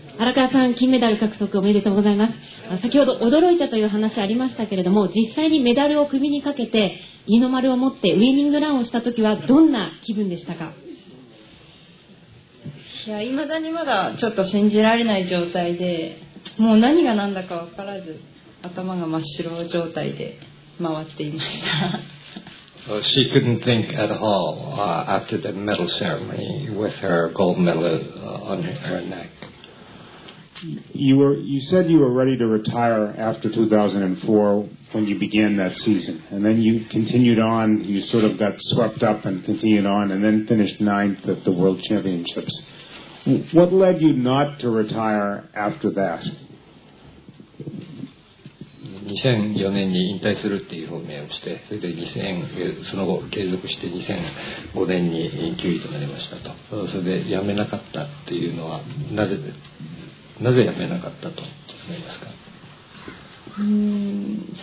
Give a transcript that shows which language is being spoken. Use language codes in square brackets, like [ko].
[ja] 荒川さん、金メダル獲得おめでとうございます。先ほど驚いたという話ありましたけれども、実際にメダルを首にかけて日の丸を持ってウィーミングランをしたときはどんな気分でしたか？いや、未だにまだちょっと信じられない状態で、もう何が何だか分からず、頭が真っ白状態で回っていました。 [en] So she couldn't think at all after the medal ceremony with her gold medal on her neck. You said you were ready to retire after 2004 when you began that season. And then you continued on, you sort of got swept up and continued on, and then finished ninth at the World Championships. What led you not to retire after that? [ja] 2004年に引退するっていう表明をして、それで2000その後継続して2005年に休止となりましたと。それで辞めなかったっていうのはなぜ辞めなかったと思いますか？